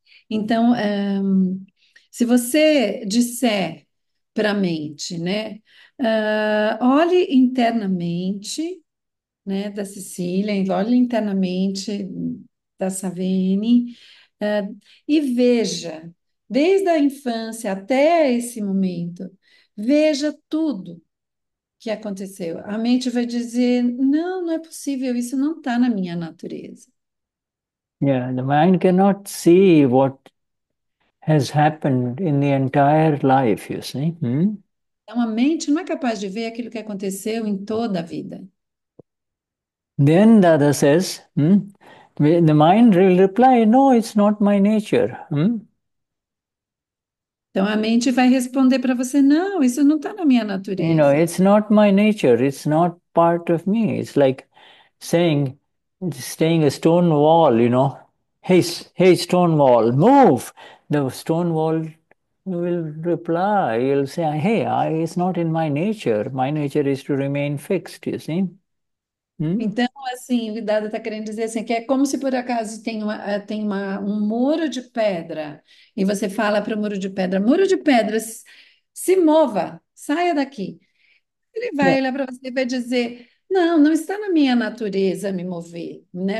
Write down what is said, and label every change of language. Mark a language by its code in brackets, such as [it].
[pt] Então, se você disser para a mente, né, olhe internamente, né, da Cecília, olhe internamente da Savene, e veja, desde a infância até esse momento, veja tudo que aconteceu. A mente vai dizer: não, não é possível, isso não está na minha natureza. [en] Yeah, the mind cannot see what has happened in the entire life, you see. [pt] Então, a mente não é capaz de ver aquilo que aconteceu em toda a vida. [en] Then Dada says, the mind will reply, no, it's not my nature. [pt] Então, a mente vai responder para você: não, isso não está na minha [en] You know, [pt] natureza. [en] it's not my nature, it's not part of me. It's like saying, staying a stone wall, you know. Hey, stone wall, move! The stone wall will reply. He'll say, hey, it's not in my nature. My nature is to remain fixed, you see? [pt] Então, assim, o Dada está querendo dizer assim, que é como se por acaso um muro de pedra, e você fala para o muro de pedra, se mova, saia daqui. Ele vai olhar para você e vai dizer: não, não está na minha natureza me mover, né?